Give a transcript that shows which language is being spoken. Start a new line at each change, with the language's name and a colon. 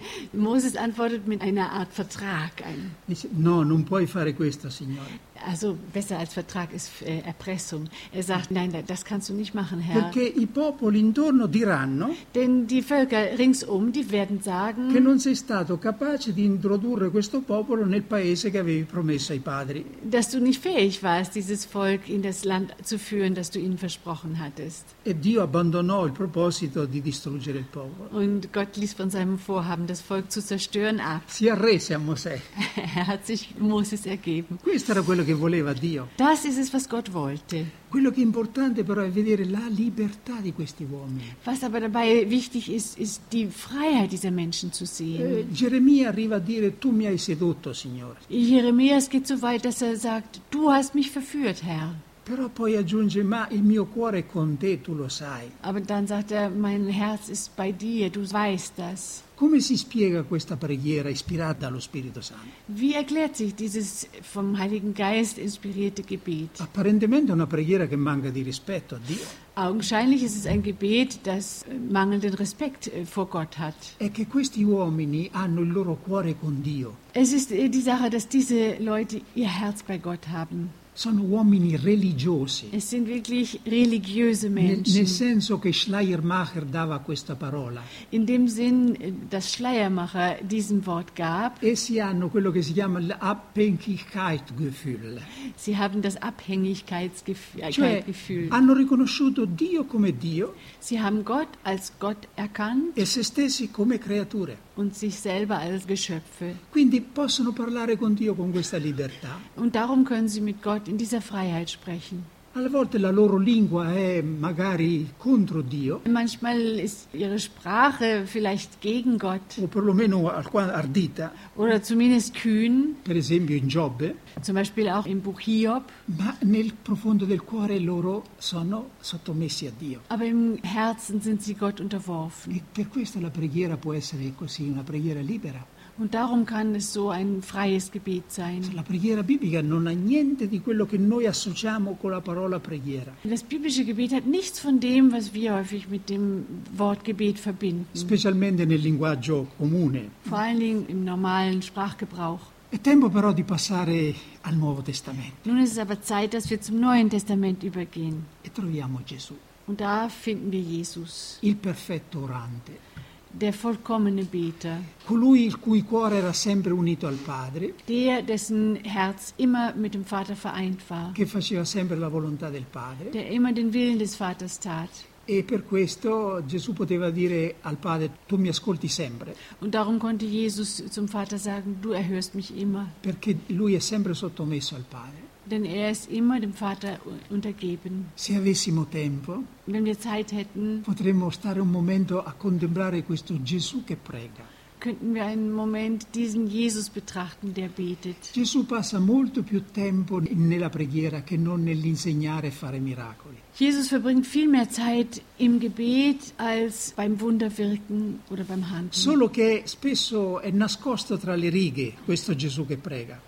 German: Moses antwortet mit einer Art Vertrag.
Italian: Dice, no, non puoi fare questo, Signore.
German: Also besser als Vertrag ist Erpressung. Er sagt, nein, das kannst du nicht machen, Herr.
Italian: Perché i popoli intorno diranno,
German: denn die Völker ringsum, die werden sagen,
Italian: che non sei stato capace di introdurre questo popolo nel paese che avevi promesso ai padri.
German: Dass du nicht fähig warst, dieses Volk in das Land zu führen, das du ihnen versprochen hattest.
Italian: E Dio abbandonò il proposito di distruggere il popolo.
German: Und Gott ließ von seinem Vorhaben, das Volk zu zerstören, ab.
Italian: Si arrese a Mosè.
German: Er hat sich Moses ergeben.
Italian: Questo era quello che voleva Dio.
German: Das ist es, was Gott wollte.
Italian: Quello che è importante però è vedere la libertà di questi uomini.
German: Was aber dabei wichtig ist, ist die Freiheit dieser Menschen zu sehen.
Italian: Geremia arriva a dire, tu mi hai sedotto, Signore.
German: Jeremias geht so weit, dass er sagt, du hast mich verführt, Herr.
Italian: Però poi aggiunge, ma il mio cuore è con te, tu lo sai.
German: Aber dann sagt er, mein Herz ist bei dir, du weißt das.
Italian: Come si spiega questa preghiera ispirata allo Spirito Santo?
German: Wie erklärt sich dieses vom Heiligen Geist inspirierte Gebet?
Italian: Apparentemente è una preghiera che manca di rispetto a Dio.
German: Augenscheinlich ist es ein Gebet, das mangelnden Respekt vor Gott hat.
Italian: È che questi uomini hanno il loro cuore con Dio.
German: Es ist die Sache, dass diese Leute ihr Herz bei Gott haben.
Italian: Sono uomini religiosi.
German: Es sind wirklich religiöse Menschen.
Italian: Nel senso che Schleiermacher dava questa parola.
German: In dem Sinn, dass Schleiermacher diesem Wort gab.
Italian: E sie hanno quello che si chiama l'Abhängigkeitsgefühl.
German: Sie haben das Abhängigkeitsgefühl.
Italian: Cioè, hanno riconosciuto Dio come Dio.
German: Sie haben Gott als Gott erkannt.
Italian: E se stessi come creature.
German: Und sich selber als Geschöpfe.
Italian: Quindi possono parlare con Dio con questa libertà.
German: Und darum können sie mit Gott in dieser Freiheit sprechen.
Italian: Alle volte la loro lingua è magari contro Dio.
German: Manchmal ist ihre Sprache vielleicht gegen Gott.
Italian: O perlomeno ardita.
German: Oder zumindest kühn.
Italian: Per esempio in Giobbe.
German: Zum Beispiel auch im Buch Hiob.
Italian: Ma nel profondo del cuore loro sono sottomessi a Dio.
German: Aber im Herzen sind sie Gott unterworfen.
Italian: E per questo la preghiera può essere così, una preghiera libera.
German: Und darum kann es so ein freies Gebet sein.
Italian: La preghiera biblica non ha niente di quello che noi associamo con la parola preghiera.
German: Das biblische Gebet hat nichts von dem, was wir häufig mit dem Wort Gebet verbinden.
Italian: Specialmente nel linguaggio comune.
German: Vor allen Dingen im normalen Sprachgebrauch.
Italian: È tempo però di passare al Nuovo Testamento.
German: Nun ist es aber Zeit, dass wir zum Neuen Testament übergehen.
Italian: E troviamo Gesù.
German: Und da finden wir Jesus.
Italian: Il perfetto orante.
German: Der vollkommene Beter.
Italian: Colui il cui cuore era sempre unito al Padre.
German: Der, dessen Herz immer mit dem Vater vereint war.
Italian: Che faceva sempre la volontà del Padre.
German: Der immer den Willen des Vaters tat.
Italian: E per questo Gesù poteva dire al Padre, tu mi ascolti sempre.
German: Und darum konnte Jesus zum Vater sagen, du erhörst mich immer.
Italian: Perché lui è sempre sottomesso al Padre.
German: Denn er ist immer dem Vater untergeben.
Italian: Se avessimo tempo,
German: wenn wir Zeit hätten,
Italian: potremmo stare un momento a contemplare questo Gesù che prega.
German: Könnten wir einen Moment diesen Jesus betrachten, der betet.
Italian: Gesù passa molto più tempo nella preghiera che non nell'insegnare e fare miracoli.
German: Jesus verbringt viel mehr Zeit im Gebet als beim Wunderwirken oder beim Handeln.
Italian: Solo che spesso è nascosto tra le righe questo Gesù che prega.